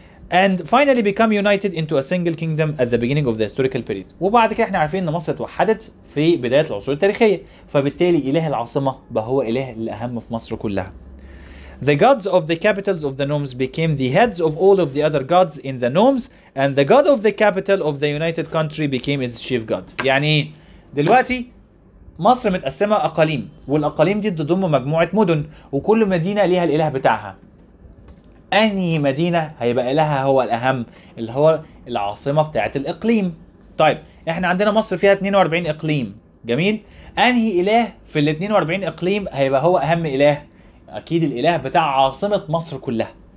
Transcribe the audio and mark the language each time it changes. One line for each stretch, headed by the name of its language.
English: And finally become united into a single kingdom at the beginning of the historical period.
Arabic: وبعد كده احنا عارفين ان مصر اتوحدت في بداية العصور التاريخية، فبالتالي اله العاصمة بقى هو اله الاهم في مصر كلها.
English: The gods of the capitals of the nomes became the heads of all of the other gods in the nomes, and the god of the capital of the united country became its chief god.
Arabic: يعني دلوقتي مصر متقسمة اقاليم، والاقاليم دي تضم مجموعة مدن، وكل مدينة ليها الاله بتاعها. أنهي مدينة هيبقى لها هو الأهم اللي هو العاصمة بتاعة الإقليم؟ طيب إحنا عندنا مصر فيها 42 إقليم، جميل؟ أنهي إله في ال 42 إقليم هيبقى هو أهم إله؟ أكيد الإله بتاع عاصمة مصر كلها.